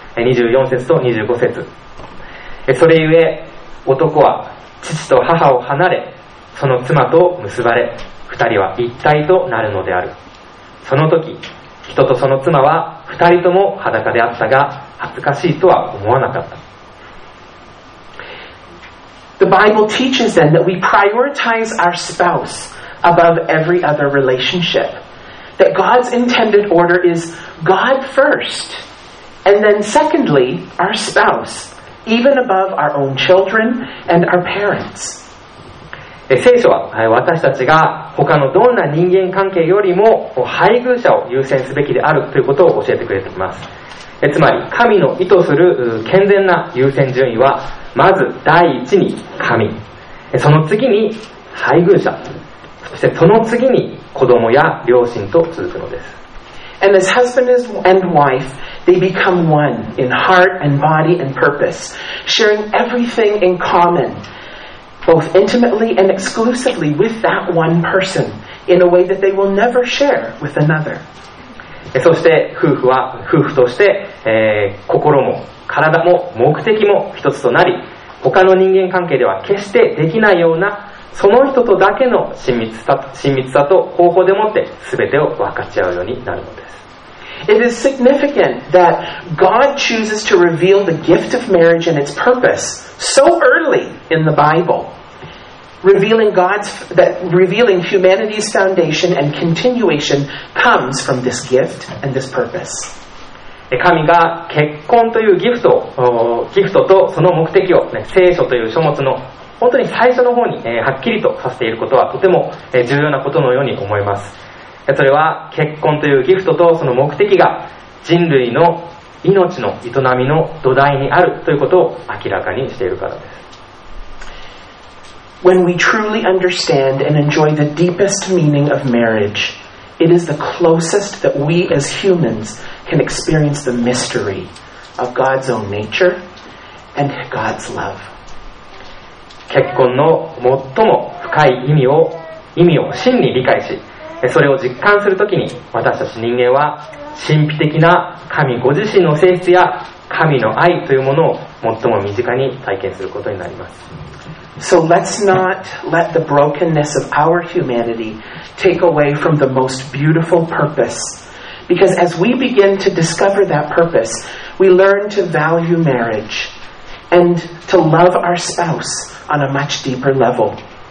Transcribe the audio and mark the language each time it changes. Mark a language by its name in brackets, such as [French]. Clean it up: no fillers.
[Japanese] 24節と25節。それゆえ、男は父と母を離れ、その妻と結ばれ、二人は一体となるのである。その時、人とその妻は二人とも裸であったが、恥ずかしいとは思わなかった。 [English] The Bible teaches then that we prioritize our spouse above every other relationship. That God's intended order is God first, and then secondly, our spouse, even above our own children and our parents. [Japanese] 聖書は私たちが他のどんな人間関係よりも配偶者を優先すべきであるということを教えてくれています。つまり神の意図する健全な優先順位はまず第一に神、その次に配偶者、そしてその次に子供や両親と続くのです。 [English] And as husband and wife, they become one in heart and body and purpose, sharing everything in common, both intimately and exclusively with that one person, in a way that they will never share with another. [Japanese] そして夫婦は夫婦として、心も体も目的も一つとなり、他の人間関係では決してできないような、その人とだけの親密さと方法でもって全てを分かち合うようになるのです。 [English] It is significant that God chooses to reveal the gift of marriage and its purpose so early in the Bible, revealing humanity's foundation and continuation comes from this gift and this purpose. [Japanese] 神が結婚というギフトとその目的を、ね、聖書という書物の本当に最初の方に、はっきりとさせていることはとても、重要なことのように思います。それは結婚というギフトとその目的が人類の命の営みの土台にあるということを明らかにしているからです。 [English] When we truly understand and enjoy the deepest meaning of marriage, it is the closest that we as humans can experience the mystery of God's own nature and God's love。 [Japanese] 結婚の最も深い意味を真に理解し、それを実感するときに、私たち人間は神秘的な神ご自身の性質や神の愛というものを最も身近に体験することになります。 [English] So let's not let the brokenness of our humanity take away from the most beautiful purpose, because as we begin to discover that purpose, we learn to value marriageAnd to love our spouse on a much deeper level.